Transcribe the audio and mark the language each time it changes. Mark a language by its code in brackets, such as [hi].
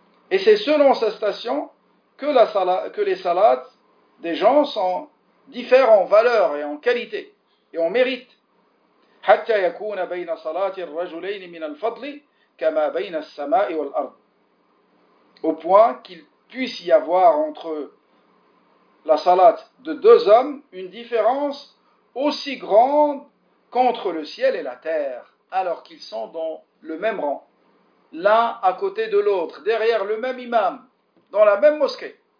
[fr] Et c'est selon sa station que la salat, que les salats des gens sont différents en valeur et en qualité et en mérite. [ar] حتى يكون بين صلاة الرجلين من الفضل كما بين السماء والأرض. [fr] Au point qu'il puisse y avoir entre la salat de deux hommes une différence aussi grande qu'entre le ciel et la terre, alors qu'ils sont dans le même rang, l'un à côté de l'autre, derrière le même imam, dans la même mosquée.